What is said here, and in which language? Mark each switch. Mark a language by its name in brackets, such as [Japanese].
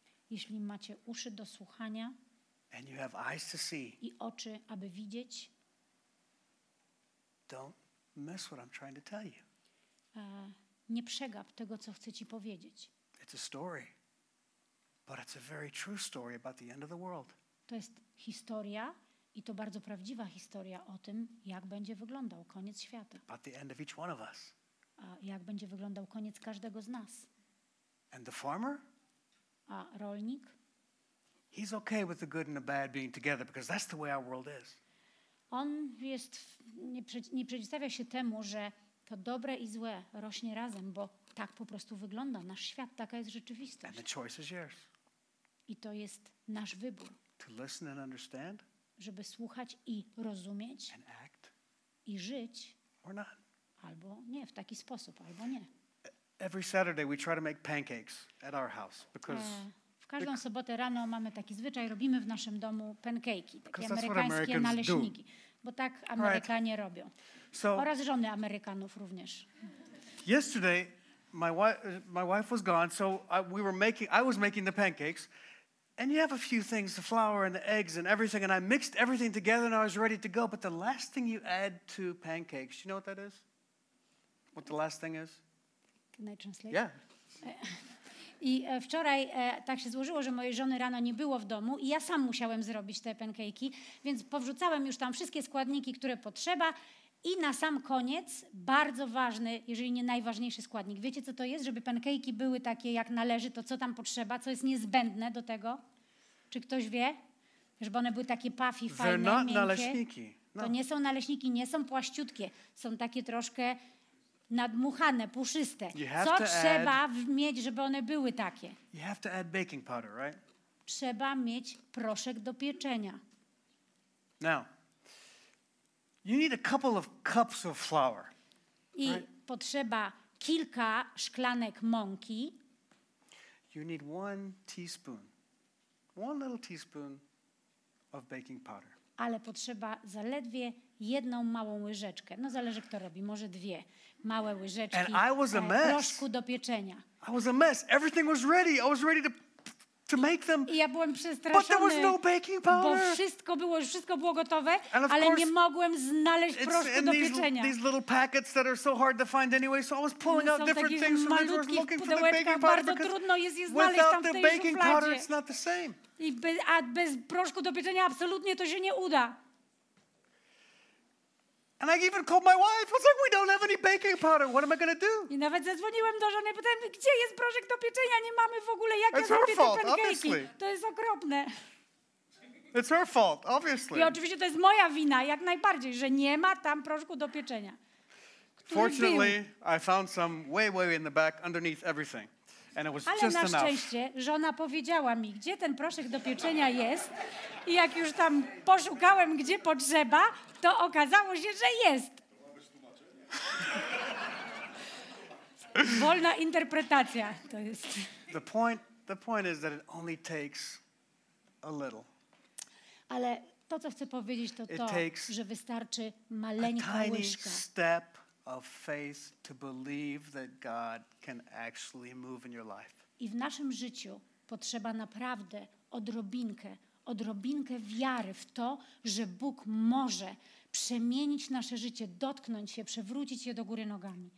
[Polish] jeśli macie uszy do słuchania [English] and you have eyes to see, [Polish] i oczy, aby widzieć, [English] don't miss what I'm trying to tell you. [Polish] Nie przegap tego, co chcę ci powiedzieć. [English] It's a story, but it's a very true story about the end of the world. [Polish] To jest historia i to bardzo prawdziwa historia o tym, jak będzie wyglądał koniec świata. [English] About the end of each one of us. [Polish] A jak będzie wyglądał koniec każdego z nas. [English] And the farmer? [Polish] A rolnik? [English] He's okay with the good and the bad being together because that's the way our world is. [Polish] On jest nie przeciwstawia się temu, że to dobre i złe rośnie razem, bo tak po prostu wygląda nasz świat, taka jest rzeczywistość. [English] And the choice is yours. [Polish] I to jest nasz wybór. [English] To listen and understand? [Polish] Żeby słuchać i rozumieć [English] and act, [Polish] i żyć [English] or not. [Polish] Albo nie, w taki sposób, albo nie. [English] Every Saturday we try to make pancakes at our house because [Polish] w każdą sobotę rano mamy taki zwyczaj, robimy w naszym domu pancake'i, takie amerykańskie naleśniki, bo tak Amerykanie [English] right. [Polish] robią. [English] So, [Polish] oraz żony Amerykanów również. [English] Yesterday my wife was gone, so I was making the pancakes. And you have a few things, the flour and the eggs and everything, and I mixed everything together and I was ready to go. But the last thing you add to pancakes, you know what that is? What the last thing is? Can I translate? Yeah. [Polish] I wczoraj tak się złożyło, że mojej żony rano nie było w domu i ja sam musiałem zrobić te pancake'i, więc powrzucałem już tam wszystkie składniki, które potrzeba i na sam koniec bardzo ważny, jeżeli nie najważniejszy składnik. Wiecie, co to jest, żeby pancake'i były takie, jak należy, to co tam potrzeba, co jest niezbędne do tego? Czy ktoś wie? Żeby one były takie puffy, fajne, miękkie. Naleśniki. No. To nie są naleśniki, nie są płaściutkie, są takie troszkę nadmuchane, puszyste. Co trzeba mieć, żeby one były takie? [English] You have to add baking powder, right? [Polish] Trzeba mieć proszek do pieczenia. [English] Now, you need a couple of cups of flour. [Polish] I potrzeba kilka szklanek mąki. [English] You need one teaspoon. One little teaspoon of baking powder. [Polish] Ale potrzeba zaledwie jedną małą łyżeczkę. No zależy, kto robi. Może dwie małe łyżeczki. [English] And I was a mess. [Polish] Proszku do pieczenia. [English] I was a mess. Everything was ready. I was ready to make them. [Polish] I ja byłem przestraszony. [English] But there was no baking powder. [Polish] Bo wszystko było gotowe, ale nie mogłem znaleźć proszku do pieczenia. [English] These little packets that are so hard to find anyway. So I was pulling out different things from these. I was looking for the baking powder. [Polish] Bardzo trudno jest je znaleźć [English] without [Polish] tam w tej [English] the baking [Polish] szufladzie. [English] Powder, it's not the same. [Polish] A bez proszku do pieczenia absolutnie to się nie uda. [English] And I even called my wife. I was like, we don't have any baking powder. What am I going to do? [Polish] I nawet zadzwoniłem do żony, pytałem, gdzie jest proszek do pieczenia? Nie mamy w ogóle, jak ja zrobię te pancake'i. To jest okropne. [English] It's her fault, obviously. [Polish] I oczywiście to jest moja wina, jak najbardziej, że nie ma tam proszku do pieczenia. [English] Fortunately, I found some way in the back underneath everything. And it was [Polish] ale [English] just [Polish] na szczęście [English] enough. [Polish] Żona powiedziała mi, gdzie ten proszek do pieczenia jest. I jak już tam poszukałem, gdzie potrzeba, to okazało się, że jest. Wolna interpretacja to jest. [English] The point is that it only takes a little. [Polish] Ale to, co chcę powiedzieć, to, że wystarczy maleńka łyżka. [English] Of faith to believe that God can actually move in your life. [Polish] I w naszym życiu potrzeba naprawdę odrobinkę wiary w to, że Bóg może przemienić nasze życie, dotknąć się, przewrócić je do góry nogami.